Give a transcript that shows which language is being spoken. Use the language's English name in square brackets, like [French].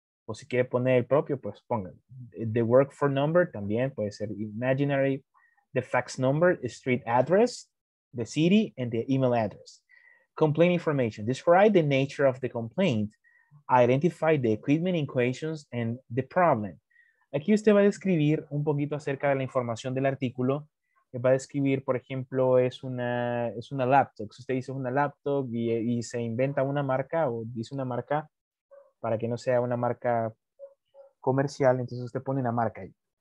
[Spanish] O si quiere poner el propio, pues ponga. [English] The work phone number, [Spanish] también puede ser [English] imaginary. The fax number, street address, the city, and the email address. Complaint information. Describe the nature of the complaint. Identify the equipment in questions and the problem. [Spanish] Aquí usted va a describir un poquito acerca de la información del artículo. Va a describir, por ejemplo, es una laptop. Si usted dice una laptop y se inventa una marca o dice una marca para que no sea una marca comercial, entonces usted pone una marca ahí.